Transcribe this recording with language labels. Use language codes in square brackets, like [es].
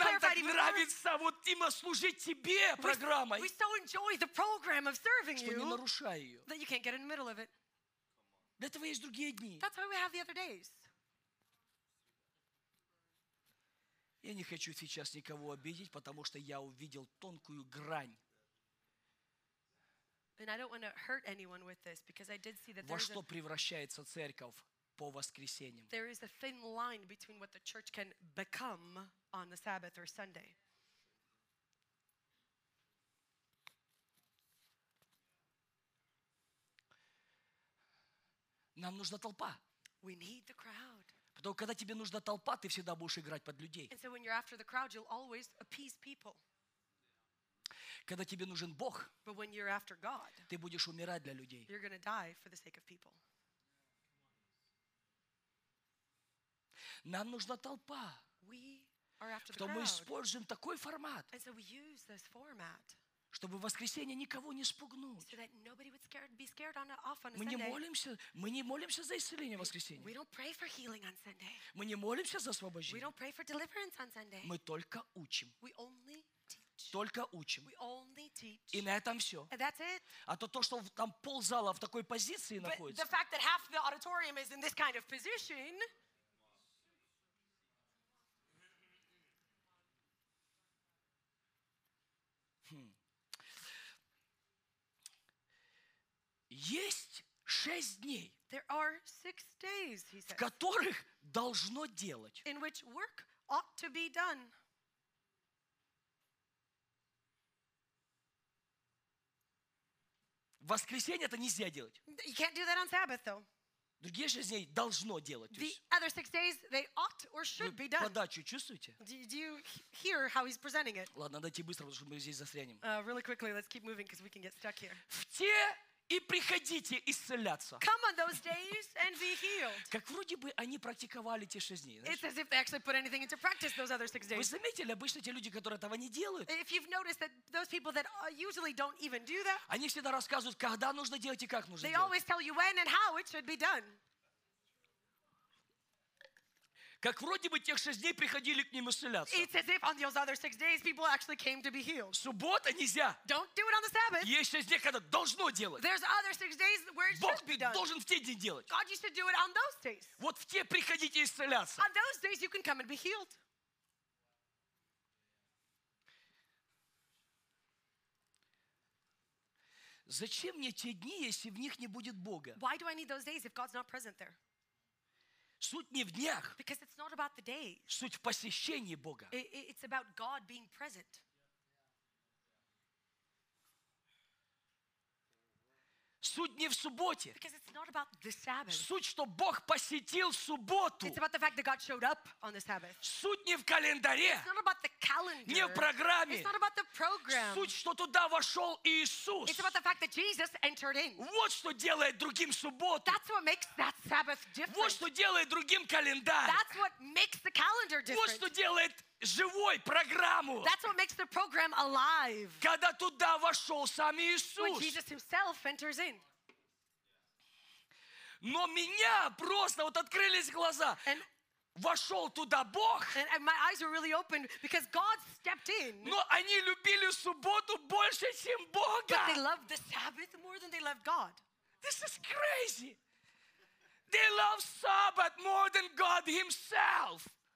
[ru] нам так нравится вот Тима служить тебе программой, [en] we so enjoy the program of serving [ru] что не нарушай ее. [en] That you can't get in the middle of it. [ru] Для этого есть другие дни. [en] That's why we have the other days. [ru] Я не хочу сейчас никого обидеть, потому что я увидел тонкую грань. [en] And I don't want to hurt anyone with this because I did see that [ru] во что превращается церковь. [en] There is a thin line between what the church can become on the Sabbath or Sunday. [ru] Нам нужна толпа. [en] We need the crowd. [ru] Потому когда тебе нужна толпа, ты всегда будешь играть под людей. [en] And so when you're after the crowd, you'll always appease people. [ru] Когда тебе нужен Бог, [en] but when you're after God, [ru] ты будешь умирать для людей. [en] You're going to die for the sake of people. [ru] Нам нужна толпа. [en] We are after the crowd. [ru] Мы используем такой формат, [en] and so we use this format, [ru] чтобы в воскресенье никого не спугнуть. [en] So that nobody would be scared on, off on a [ru] мы не молимся, мы не молимся за исцеление в воскресенье. [en] We don't pray for healing on Sunday. [ru] Мы не молимся за освобождение. [en] We don't pray for deliverance on Sunday. [ru] Мы только учим. [en] We only teach. [ru] Только учим. [en] We only teach. [ru] И на этом все. [en] And that's it. [ru] А то, что там ползала в такой позиции [en] but [ru] находится. [en] The fact that half the auditorium is in this kind of position. [ru] Есть шесть дней, [en] there are six days, he says, [ru] в которых должно делать. [en] In which work ought to be done. [ru] воскресенье это нельзя делать. [en] You can't do that on Sabbath, though. [ru] Другие 6 дней должно делать. [en] The other 6 days they ought or should be done. [ru] Подачу чувствуете? [en] Do you hear how he's presenting it? [ru] Ладно, давайте быстро, потому что мы здесь застрянем. [en] Really quickly, let's keep moving because we can get stuck here. [ru] В те и приходите исцеляться. [en] Come on those days and be healed. [ru] Как вроде бы они практиковали те 6 дней. [en] It's as if they actually put anything into practice those other 6 days. [ru] Вы заметили, обычно те люди, которые этого не делают? [en] If you've noticed that those people that usually don't even do that. [ru] Они всегда рассказывают, когда нужно делать и как нужно делать. [en] They always tell you when and how it should be done. [ru] Как вроде бы тех 6 дней приходили к ним исцеляться. [en] It's as if on those other 6 days people actually came to be healed. [ru] Суббота нельзя. [en] Don't do it on the Sabbath. [ru] Есть 6 дней, когда должно делать. [en] There's other 6 days where it [ru] Бог [en] should be done. [ru] Бог должен в те дни делать. [en] God, you should do it on those days. [ru] Вот в те приходите исцеляться. [en] On those days you can come and be healed. [ru] Зачем мне те дни, если в них не будет Бога? [en] Why do I need those days if God's not present there? [ru] Суть не в днях. [en] Because it's not about the day. [ru] Суть в посещении Бога. [en] It's about God being present. [ru] Суть не в субботе. [en] Because it's not about the Sabbath. [ru] Суть, что Бог посетил субботу. [en] It's about the fact that God showed up on the Sabbath. [ru] Суть не в календаре. [en] It's not about the calendar. [ru] Не в программе. [en] It's not about the program. [ru] Суть, что туда вошел Иисус. [en] It's about the fact that Jesus entered in. [ru] Вот что делает другим субботу. [en] That's what makes that Sabbath different. [ru] Вот что делает другим календарь. [en] That's what makes the calendar different. [ru] Вот что делает живой программу. [en] That's what makes the program alive. [ru] Когда туда вошел сам Иисус. [en] When Jesus himself enters in. [ru] Но меня просто вот открылись глаза. Вошел туда Бог. [en] And my eyes were really opened because God stepped in. [ru] Но они любили субботу больше, чем Бога. [en] But they loved the Sabbath more than they loved God. This is crazy. They love Sabbath more than God himself.